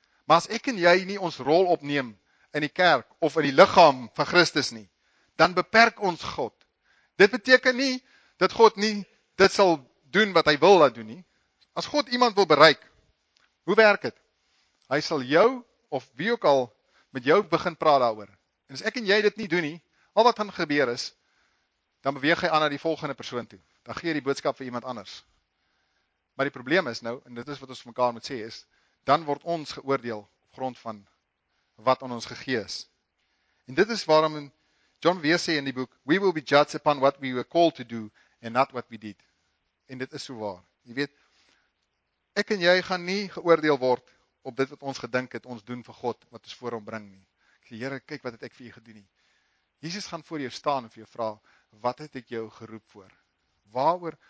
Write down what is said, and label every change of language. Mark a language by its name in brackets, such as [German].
[Afrikaans] Maar as ek en jy nie ons rol opneem in die kerk of in die liggaam van Christus nie, dan beperk ons God. Dit beteken nie dat God nie dit sal doen wat hy wil laat doen nie. As God iemand wil bereik, hoe werk dit? Hy sal jou of wie ook al met jou begin praat daaroor. En as ek en jy dit nie doen nie, al wat gaan gebeur is, dan beweeg hy aan na die volgende persoon toe. Dan gee hy die boodskap vir iemand anders. Maar die probleem is nou, en dit is wat ons vir mekaar moet sê, is dan word ons geoordeel op grond van wat aan ons gegee is. En dit is waarom John Wesley sê in die boek, [English] we will be judged upon what we were called to do and not what we did. [Afrikaans] En dit is so waar. Jy weet, ek en jy gaan nie geoordeel word op dit wat ons gedink het, ons doen vir God, wat ons voor hom bring nie. Ek sê, Here, kyk wat het ek vir jy gedoen nie. Jesus gaan voor jou staan en vir jou vra, wat het ek jou geroep voor?